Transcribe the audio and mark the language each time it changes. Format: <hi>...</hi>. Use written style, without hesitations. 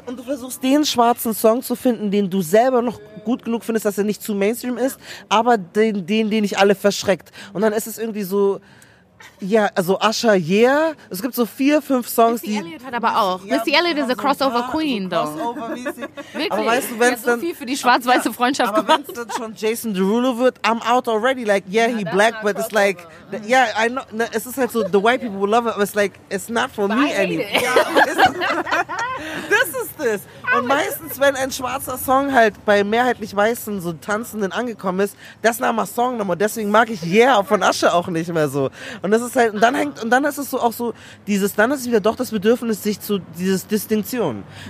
<de>Und du versuchst, den schwarzen Song zu finden, den du selber noch gut genug findest, dass er nicht zu Mainstream ist, aber den nicht alle verschreckt, und dann ist es irgendwie so, ja, also Asha, es gibt so 4-5 Songs, Missy die... Missy Elliott hat aber auch.</de> <en>Ja, Missy Elliott ist a crossover so queen, though.</en> <de>Crossover-mäßig. Aber weißt du, wenn es dann... so viel für die schwarz-weiße Freundschaft aber gemacht. Aber wenn es dann schon Jason Derulo wird,</de> <en>I'm out already. Like, yeah, he black, but it's like... Yeah, I know.</en> <de>Na, es ist halt so,</de> <en>the white people will love it, but it's like, it's not for me anymore. This is this.</en> <de>Und meistens, wenn ein schwarzer Song halt bei mehrheitlich weißen, so Tanzenden angekommen ist,</de> <en>that's not my song no more.</en> <de>Deswegen mag ich von Asha auch nicht mehr so. Und das ist halt, und dann hängt, und dann ist es so auch so, dieses, dann ist es wieder doch das Bedürfnis, sich zu, dieses Distinktion.</de>